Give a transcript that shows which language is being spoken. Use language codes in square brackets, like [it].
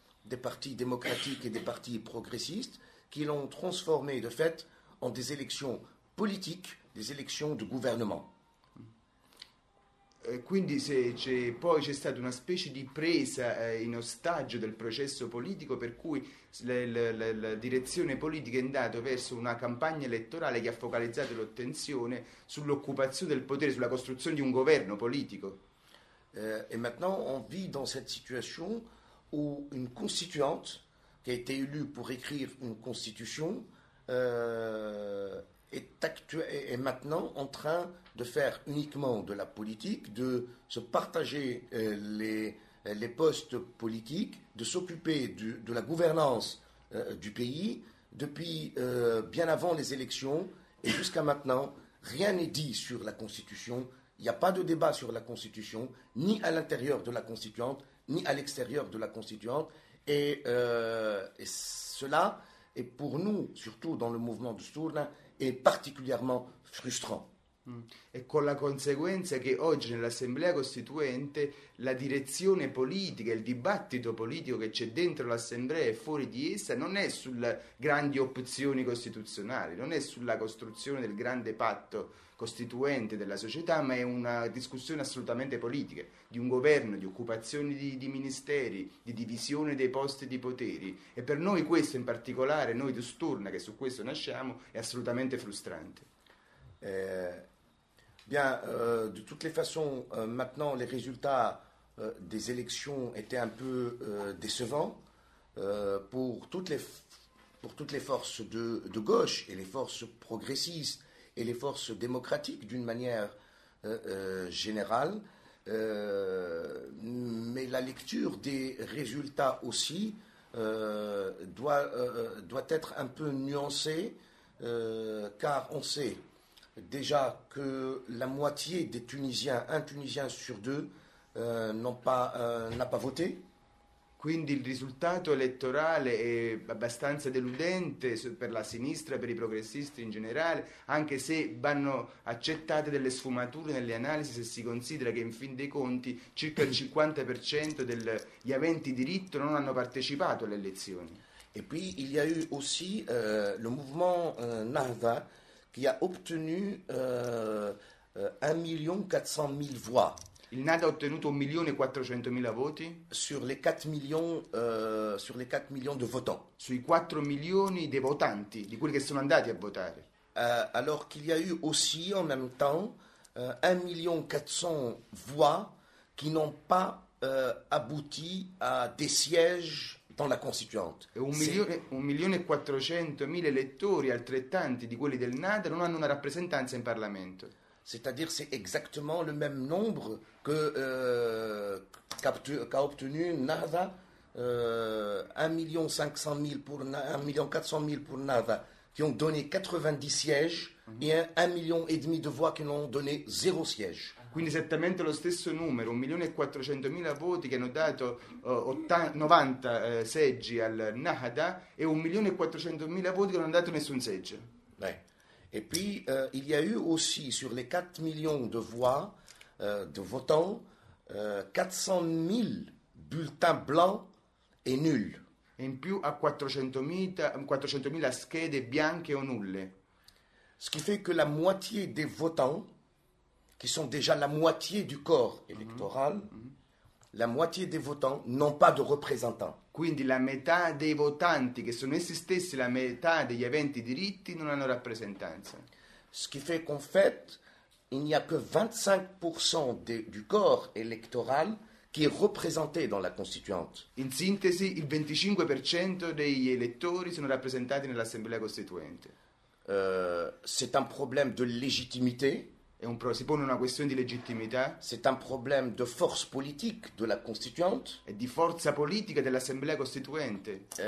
[fr] des partis démocratiques et des partis progressistes, qui l'ont transformé de fait en des élections politiques, des élections de gouvernement. [it] Quindi poi c'è stata una specie di presa in ostaggio del processo politico per cui la direzione politica è andata verso una campagna elettorale che ha focalizzato l'attenzione sull'occupazione del potere, sulla costruzione di un governo politico. [fr] E maintenant on vit dans cette situation où une constituante qui a été élue pour écrire une constitution est maintenant en train de faire uniquement de la politique, de se partager les postes politiques, de s'occuper de la gouvernance du pays depuis bien avant les élections et jusqu'à maintenant, rien n'est dit sur la Constitution. Il n'y a pas de débat sur la Constitution, ni à l'intérieur de la Constituante, ni à l'extérieur de la Constituante. Et cela est pour nous, surtout dans le mouvement de Sturna, est particulièrement frustrant. [it] E con la conseguenza che oggi nell'Assemblea Costituente la direzione politica, il dibattito politico che c'è dentro l'Assemblea e fuori di essa non è sulle grandi opzioni costituzionali, non è sulla costruzione del grande patto costituente della società, ma è una discussione assolutamente politica, di un governo, di occupazioni di ministeri, di divisione dei posti di poteri. E per noi questo in particolare, noi di Sturna, che su questo nasciamo, è assolutamente frustrante. [fr] De toutes les façons, maintenant, les résultats des élections étaient un peu décevants pour toutes les forces de gauche et les forces progressistes et les forces démocratiques d'une manière générale. Mais la lecture des résultats aussi doit être un peu nuancée car on sait déjà que la moitié des Tunisiens, un Tunisien sur deux, n'a pas voté. [it] Quindi il risultato elettorale è abbastanza deludente per la sinistra, per i progressisti in generale, anche se vanno accettate delle sfumature nelle analisi se si considera che in fin dei conti circa il 50% degli aventi diritto non hanno partecipato alle elezioni. [fr] Et puis, il y a eu aussi le mouvement Narda, qui a obtenu 1 400 000 voix [it] Il NADA ha ottenuto 1.400.000 voti? [fr] sur les 4 millions de votants. [it] Sui 4 milioni dei votanti, di quelli che sono andati a votare. [fr] Alors qu'il y a eu aussi en même temps 1 400 000 voix qui n'ont pas abouti à des sièges dans la Constituante. [it] E 1.400.000 elettori, altrettanti di quelli del NADA, non hanno una rappresentanza in Parlamento. [fr] C'est-à-dire, c'est exactement le même nombre qu'a obtenu Narda, 1 500 000 pour 1 400 000 pour Narda, qui ont donné 90 sièges, et 1 500 000 de voix qui n'ont donné zéro siège. [it] Quindi esattamente lo stesso numero, 1.400.000 voti che hanno dato 80, 90 seggi al Nahda e 1.400.000 voti che non hanno dato nessun seggio. [fr] Et puis, il y a eu aussi sur les 4 millions de voix de votants, 400 000 bulletins blancs et nuls. [it] In più a 400.000 schede bianche o nulle. [fr] Ce qui fait que la moitié des votants, qui sont déjà la moitié du corps électoral, la moitié des votants n'ont pas de représentants. [it] Quindi la metà dei votanti, che sono essi stessi la metà degli aventi diritti, non hanno rappresentanza. [fr] Ce qui fait qu'en fait, il n'y a que 25% du corps électoral qui est représenté dans la Constituante. [it] In sintesi, il 25% degli elettori sono rappresentati nell'Assemblea Costituente. [fr] C'est un problème de légitimité. [it] Si pone una questione di legittimità [fr] C'est un problème de force politique de la Constituante. [it] e di forza politica dell'Assemblea Costituente.